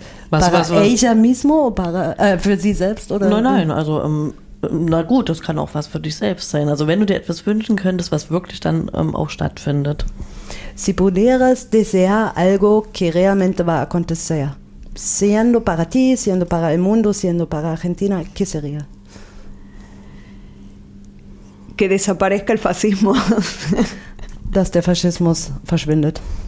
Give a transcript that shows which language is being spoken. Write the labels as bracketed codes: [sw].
[es] ¿Para ella mismo o para, [de] für sie selbst? Oder? Nein, also na gut, das kann auch was für dich selbst sein. Also wenn du dir etwas wünschen könntest, was wirklich dann auch stattfindet. [es] Si pudieras desear algo que realmente va a acontecer, siendo para ti, siendo para el mundo, siendo para Argentina, ¿qué sería? Que desaparezca el fascismo. [de] Dass der Faschismus verschwindet.